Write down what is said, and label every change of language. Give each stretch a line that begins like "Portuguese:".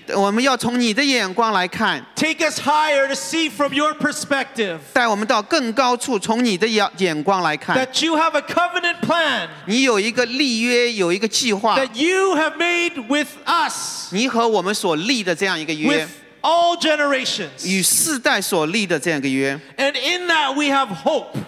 Chinese: 我们要从你的眼光来看。
English: Take us higher to see from your perspective.
Chinese: 带我们到更高处，从你的眼光来看。
English: That you have a covenant plan.
Chinese: 你有一个立约，有一个计划。
English: That you have made with us.
Chinese: 你和我们所立的这样一个约。
English: All generations.
Chinese: 与世代所立的这样一个约。
English: And in that we have hope.